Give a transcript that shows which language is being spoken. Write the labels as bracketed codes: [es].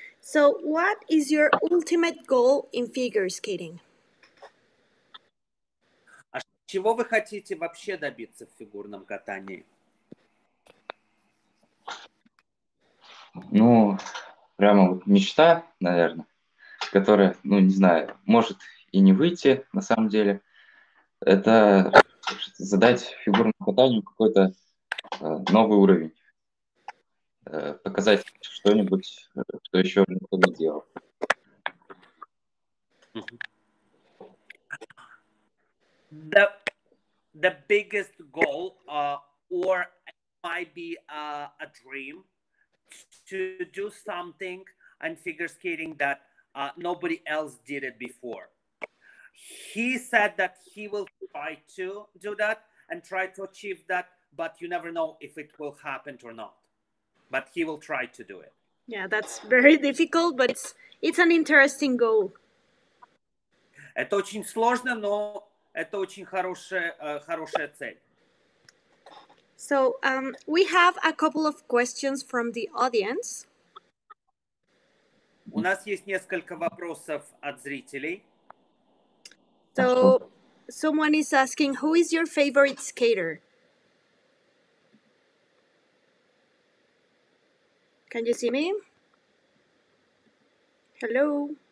[en] So what is your ultimate goal in figure skating? [ru] А чего вы хотите вообще добиться в фигурном катании? Ну, прямо вот мечта, наверное, которая, ну, не знаю, может и не выйти на самом деле. Это задать фигурному катанию какой-то новый уровень. Показать что-нибудь, что еще никто не делал. [en] The biggest goal, or might be a dream, to do something in figure skating that nobody else did it before. He said that he will try to do that and try to achieve that, but you never know if it will happen or not. But he will try to do it. Yeah, that's very difficult, but it's an interesting goal. [ru] Это очень сложно, но это очень хорошая цель. [en] So, we have a couple of questions from the audience. [ru] У нас есть несколько вопросов от зрителей. [en] So, someone is asking, who is your favorite skater? Can you see me? Hello?